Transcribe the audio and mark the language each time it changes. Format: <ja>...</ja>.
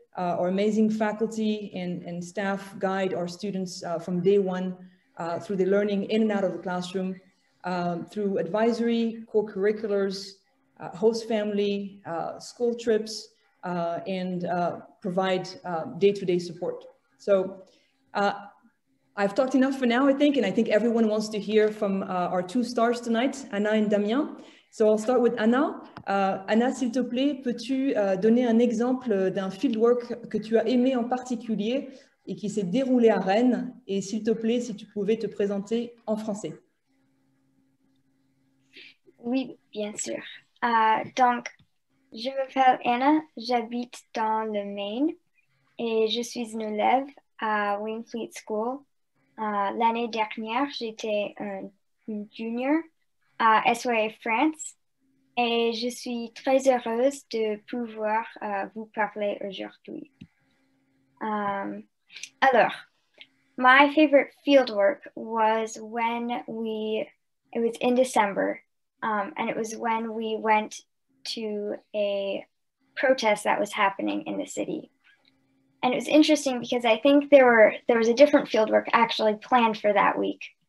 <en>Our amazing faculty and staff guide our students from day one through the learning in and out of the classroom, through advisory, co-curriculars, host family, school trips, and provide day-to-day support. So I've talked enough for now, I think, and I think everyone wants to hear from our two stars tonight, Anna and Damien. So I'll start with Anna.</en> <fr>Anna, s'il te plaît, peux-tu donner un exemple d'un fieldwork que tu as aimé en particulier et qui s'est déroulé à Rennes? Et s'il te plaît, si tu pouvais te présenter en français. Oui, bien sûr. Donc, je m'appelle Anna, j'habite dans le Maine et je suis une élève à Wingfleet School. L'année dernière, j'étais une junior à SYA France et je suis très heureuse de pouvoir vous parler aujourd'hui.</fr> <en>Alors, my favorite fieldwork was when it was in December, and it was when we went to a protest that was happening in the city. And it was interesting because I think there was a different fieldwork actually planned for that week.</en>